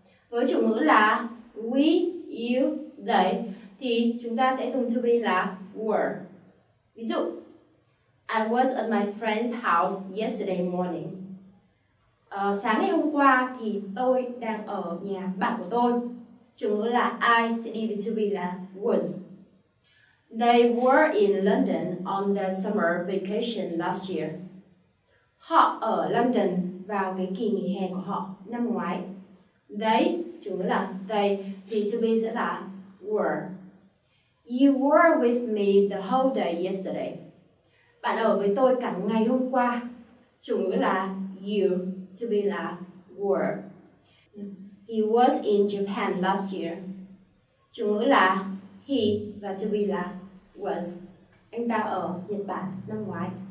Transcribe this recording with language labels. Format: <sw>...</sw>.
<vi>Với chủ ngữ là we, you, they thì chúng ta sẽ dùng to be là were. Ví dụ,</vi> <en>I was at my friend's house yesterday morning.</en> <vi>Sáng ngày hôm qua thì tôi đang ở nhà bạn của tôi. Chủ ngữ là I sẽ đi với to be là was.</vi> <en>They were in London on their summer vacation last year.</en> <vi>Họ ở London vào cái kỳ nghỉ hè của họ năm ngoái. They, chủ ngữ là they, thì to be sẽ là were.</vi> <en>You were with me the whole day yesterday.</en> <vi>Bạn ở với tôi cả ngày hôm qua. Chủ ngữ là you, to be là were.</vi> <en>He was in Japan last year.</en> <vi>Chủ ngữ là he và to be là was. Anh ta ở Nhật Bản năm ngoái.</vi>